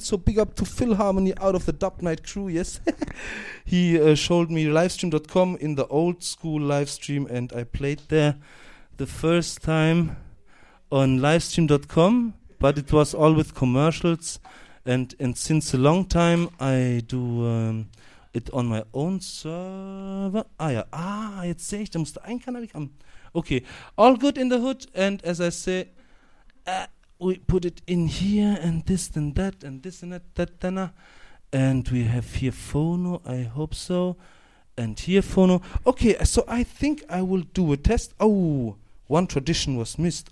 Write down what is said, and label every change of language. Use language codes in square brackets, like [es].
[en] So big up to Phil Harmony out of the Dub Night crew. Yes, he showed me livestream.com in the old school live stream, and I played there the first time on livestream.com. But it was all with commercials, and since a long time I do it on my own server. [de] Ah yeah, ah jetzt sehe ich, da musste ein Kanal kommen. [en] Okay, all good in the hood, and as I say, we put it in here, and this and that, and this and that, that then, and we have here Phono, I hope so, and here Phono. Okay, so I think I will do a test. Oh, one tradition was missed.